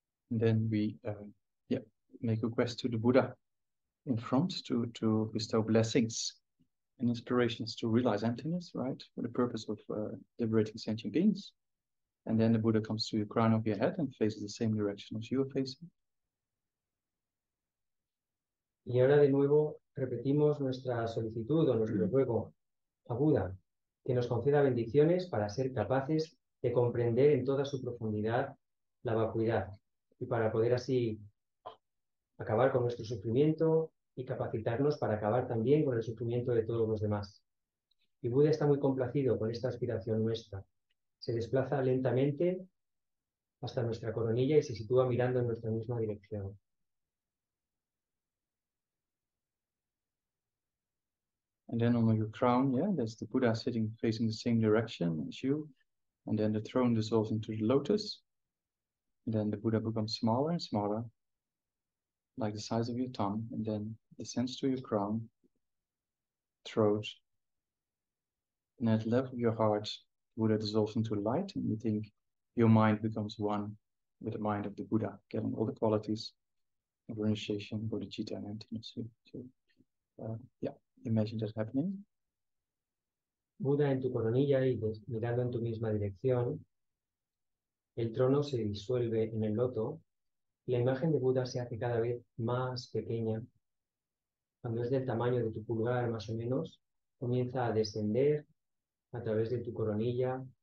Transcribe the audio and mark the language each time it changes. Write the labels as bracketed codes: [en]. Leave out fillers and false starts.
[en] And then we make a quest to the Buddha in front to bestow blessings and inspirations to realize emptiness, right? For the purpose of liberating sentient beings. And then the Buddha comes to the crown of your head and faces the same direction as you are facing. [es] Y ahora de nuevo repetimos nuestra solicitud o nuestro ruego a Buda, que nos conceda bendiciones para ser capaces de comprender en toda su profundidad la vacuidad. Y para poder así acabar con nuestro sufrimiento y capacitarnos para acabar también con el sufrimiento de todos los demás. Y Buda está muy complacido con esta aspiración nuestra. Se desplaza lentamente hasta nuestra coronilla y se sitúa mirando en nuestra misma dirección. [en] And then on your crown, yeah, there's the Buddha sitting facing the same direction as you. And then the throne dissolves into the lotus. And then the Buddha becomes smaller and smaller, like the size of your thumb, and then descends to your crown, throat, and at the level of your heart, Buddha dissolves into light, and you think your mind becomes one with the mind of the Buddha, getting all the qualities of renunciation, bodhicitta, and emptiness. So, imagine that happening. [es] Buddha en tu coronilla y mirando en tu misma dirección. El trono se disuelve en el loto y la imagen de Buda se hace cada vez más pequeña. Cuando es del tamaño de tu pulgar, más o menos, comienza a descender a través de tu coronilla.